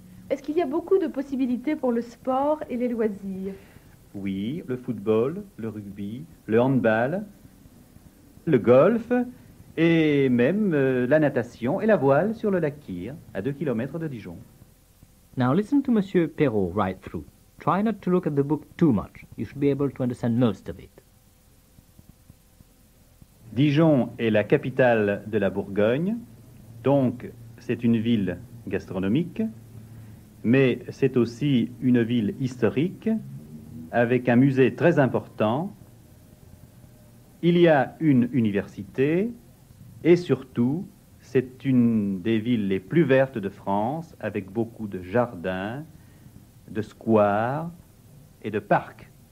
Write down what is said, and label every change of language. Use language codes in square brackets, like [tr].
[fr] Est-ce qu'il y a beaucoup de possibilités pour le sport et les loisirs? Oui, le football, le rugby, le handball, le golf et même la natation et la voile sur le lac Kyr, à 2 kilomètres de Dijon. [en] Now listen to Monsieur Perrault right through. Try not to look at the book too much. You should be able to understand most of it. [fr] Dijon est la capitale de la Bourgogne, donc c'est une ville gastronomique, mais c'est aussi une ville historique, avec un musée très important. Il y a une université, et surtout, c'est une des villes les plus vertes de France, avec beaucoup de jardins, de squares et de parcs.